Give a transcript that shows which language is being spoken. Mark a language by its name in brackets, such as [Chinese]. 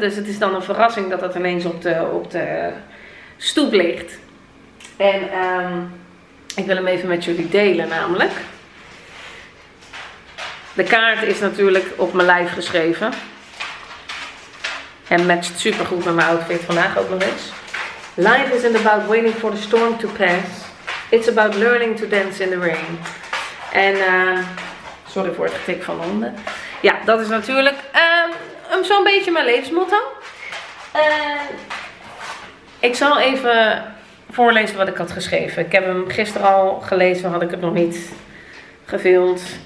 [Dutch] Dus het is dan een verrassing dat dat ineens op de stoep ligt. En ik wil hem even met jullie delen namelijk. De kaart is natuurlijk op mijn lijf geschreven. En matcht super goed met mijn outfit vandaag ook nog eens. [English] Life isn't about waiting for the storm to pass. It's about learning to dance in the rain. [Dutch] En sorry voor het getik van honden. Ja, dat is natuurlijk zo'n beetje mijn levensmotto. Ik zal even voorlezen wat ik had geschreven. Ik heb hem gisteren al gelezen, had ik het nog niet gefilmd.